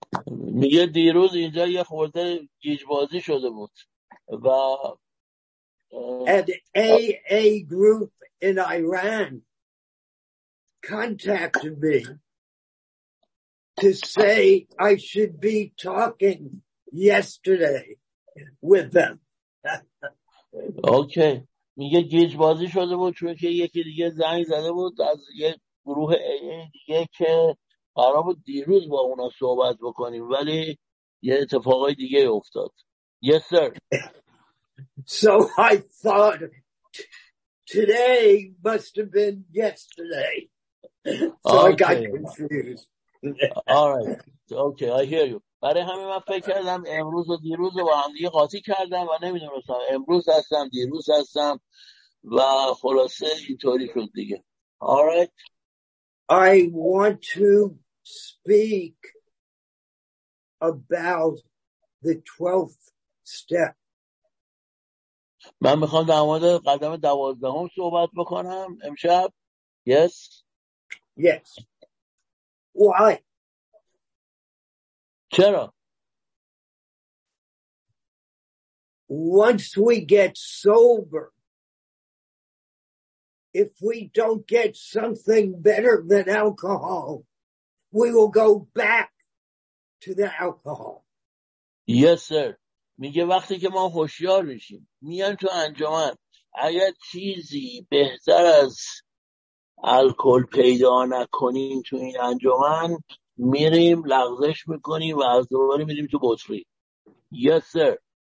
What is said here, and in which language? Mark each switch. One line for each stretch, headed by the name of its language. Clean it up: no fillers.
Persian: میگه دیروز اینجا یه خورده گیجبازی شده بود و
English: an AA group in Iran contacted me to say I should be talking yesterday with them. Okay.
Persian: میگه گیجبازی شده بود چون که یکی دیگه زنگ زده بود از یه گروه دیگه که قرار بود دیروز با اونا صحبت بکنیم ولی یه اتفاقای دیگه افتاد.
English: Yes sir. So I thought today must have been yesterday. So okay. I got confused. All right. Okay, I hear you.
Persian: برای همین من فکر کردم امروز و دیروز با هم دیگه قاطی کردم و نمیدونستم امروز هستم دیروز هستم و خلاصه اینطوری شد دیگه.
English: All right. I want to speak about the 12th step.
Persian: من میخوام در مورد قدم 12 صحبت بکنم امشب.
English: Yes. Yes. Why?
Persian: چرا?
English: Once we get sober, if we don't get something better than alcohol, we will go back to the alcohol. Yes, sir.
Persian: میگه وقتی که ما هوشیار میشیم میان تو انجمن اگر چیزی بهتر از الکل پیدا نکنیم تو این انجمن میریم لغزش میکنیم و از دوباره میریم تو بطری.
English: Yes, sir.